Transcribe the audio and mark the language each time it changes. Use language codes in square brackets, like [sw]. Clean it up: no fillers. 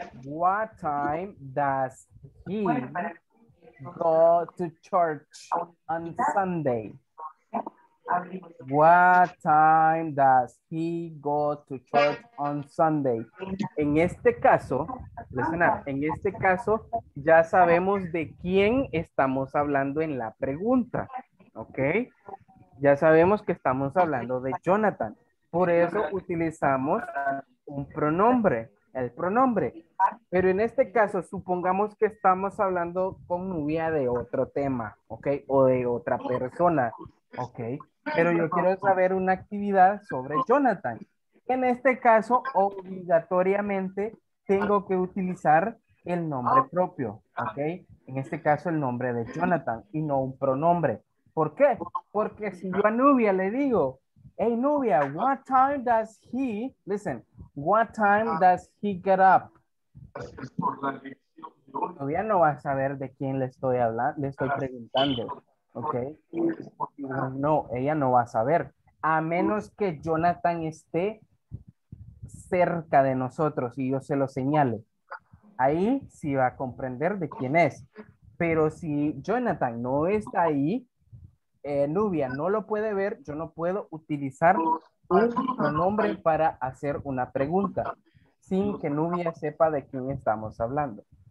[en] What time does he go to church on Sunday? What time does he go to church on Sunday? [es] En este caso, [en] listen up, [es] en este caso ya sabemos de quién estamos hablando en la pregunta, ¿ok? Ya sabemos que estamos hablando de Jonathan. Por eso utilizamos un pronombre. El pronombre. Pero en este caso, supongamos que estamos hablando con Nubia de otro tema, ¿ok? O de otra persona, ¿ok? Pero yo quiero saber una actividad sobre Jonathan. En este caso, obligatoriamente, tengo que utilizar el nombre propio, ¿ok? En este caso, el nombre de Jonathan y no un pronombre. ¿Por qué? Porque si yo a Nubia le digo... [en] Hey, Nubia, what time does he, listen, what time does he get up? [es] Nubia no va a saber de quién le estoy hablando, le estoy preguntando, ¿ok? No, ella no va a saber, a menos que Jonathan esté cerca de nosotros y yo se lo señale. Ahí sí va a comprender de quién es, pero si Jonathan no está ahí, Nubia no lo puede ver, yo no puedo utilizar un pronombre para hacer una pregunta sin que Nubia sepa de quién estamos hablando.